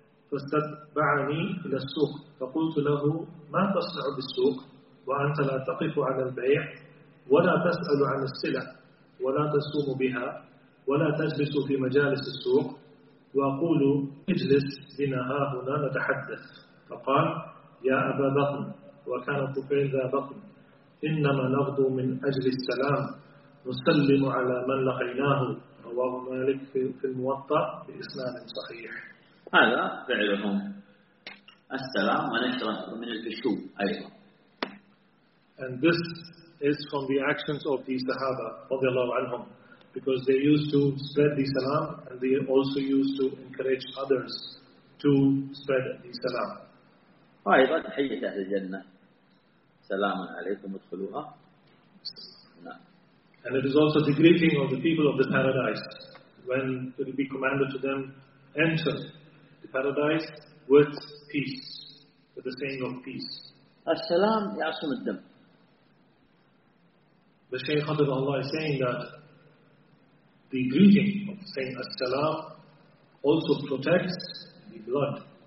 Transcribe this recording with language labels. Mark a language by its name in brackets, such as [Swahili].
[Arabic] فاستبعني إلى السوق فقلت له ما تصنع بالسوق وأنت لا تقف على البيع ولا تسأل عن السلع ولا تصوم بها ولا تجلس في مجالس السوق وأقول اجلس بنا ها هنا نتحدث فقال يا أبا بكر وكان طفيل ذا بكر إنما نغدو من أجل السلام نسلم على من لقيناه رواه مالك في الموطأ بإسناد صحيح. هذا فعلهم السلام ونشرة من الفشو أيضا. [English] And this is from the actions of the Sahaba radiallahu anhum, because they used to spread the salam and they also used to encourage others to spread the salam. [Arabic] أيضا تحية أهل الجنة سلام عليكم ادخلوها. [English] And it is also the greeting of the people of the paradise when it will be commanded to them, enter the paradise with peace, with the saying of peace. [Arabic] السلام يعصم الدم. [English] The Shaykh of Allah is saying that the greeting of saying As-Salam also protects the blood.